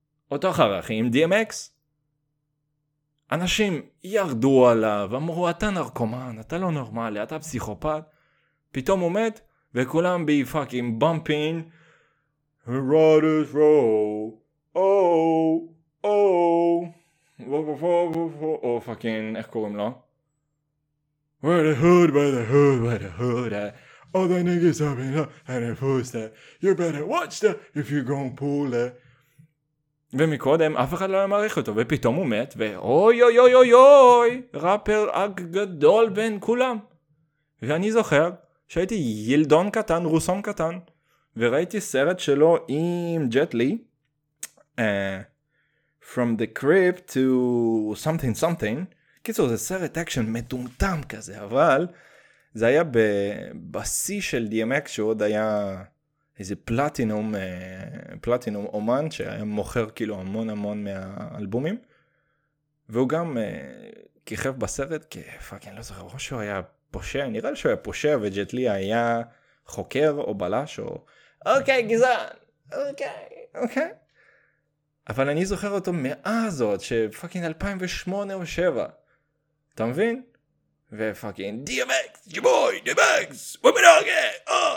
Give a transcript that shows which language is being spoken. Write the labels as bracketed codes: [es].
[he] אותו אחר, אחי, עם DMX? אנשים ירדו עליו, אמרו, אתה נרקומן, אתה לא נורמלי, אתה פסיכופת. פתאום הוא מת, וכולם [en] בי פאקינג בומפין. Riders roll. [he] Oh, fucking, איך קוראים לו? [en] Where the hood, where the hood, where the hood at? All the niggas up in the hood, and it's who's that? You better watch that if you gon' pull that. [he] ומקודם אף אחד לא היה מעריך אותו, ופתאום הוא מת, ואוי אוי אוי אוי אוי, ראפר הגדול בין כולם. ואני זוכר שהייתי ילדון קטן, רוסון קטן, וראיתי סרט שלו עם ג'ט לי, From the Crib to Something Something. קיצור, זה סרט אקשן מטומטם כזה, אבל זה היה בבסי של DMX, שעוד היה איזה פלטינום אומן, שהיה מוכר כאילו המון המון מהאלבומים, והוא גם כיכב בסרט, כי פאק, אני לא זוכר, או שהוא היה פושע, נראה לי שהוא היה פושע, וג'ט לי היה חוקר או בלש, או אוקיי, גזען, אוקיי, אוקיי. אבל אני זוכר אותו מאז עוד, שפאקינג 2008 או 7, אתה מבין? ופאקינג, DMX, G-Boy, DMX, [en] what we talking?